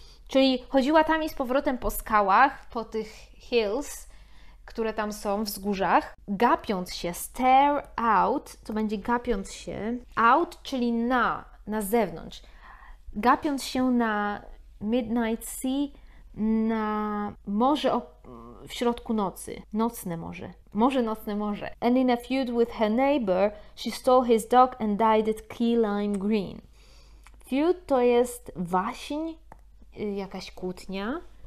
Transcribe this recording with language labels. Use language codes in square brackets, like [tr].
[pl] Czyli chodziła tam i z powrotem po skałach, po tych hills, które tam są, wzgórzach, gapiąc się, [en] stare out, [pl] to będzie gapiąc się, out, czyli na zewnątrz, gapiąc się na [en] midnight sea, [pl] na morze w środku nocy, nocne morze, morze nocne morze. [en] And in a feud with her neighbor, she stole his dog and dyed it key lime green. [pl] Feud to jest waśń, jakaś kłótnia.